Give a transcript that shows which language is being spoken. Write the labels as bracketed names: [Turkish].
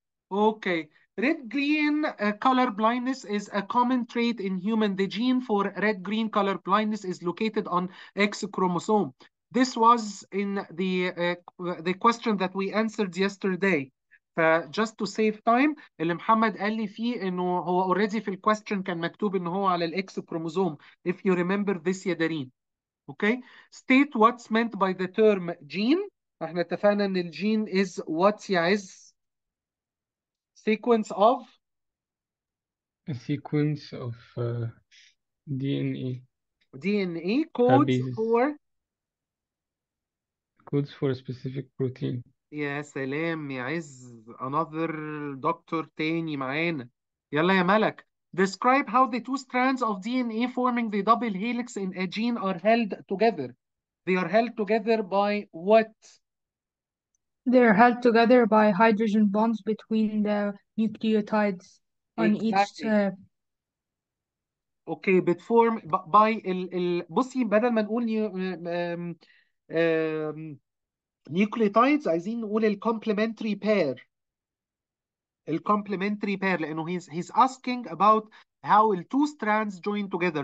[English] Okay. Red green color blindness is a common trait in human. The gene for red green color blindness is located on X chromosome. This was in the question that we answered yesterday. Just to save time, [Arabic] اللي محمد قال لي فيه انه هو already في الكويستشن كان مكتوب انه هو على الاكس كروموزوم. [English] If you remember this يا Darin. Okay. State what's meant by the term gene. [Arabic] احنا اتفقنا ان الجين [English] is what is sequence of A sequence of DNA DNA codes bases for codes for a specific protein. [Arabic] يا سلام يا عز، [English] another doctor [Arabic] تاني معانا. يلا يا ملك. [English] Describe how the two strands of DNA forming the double helix in a gene are held together. They are held together by what? They are held together by hydrogen bonds between the nucleotides on each Exactly. Okay, but form by [Arabic] ال بصي بدل ما نقول نيوكليوتايدز عايزين نقول الكومبلمنتري بير. الكومبلمنتري بير لانه [English] he's asking about how the two strands join together.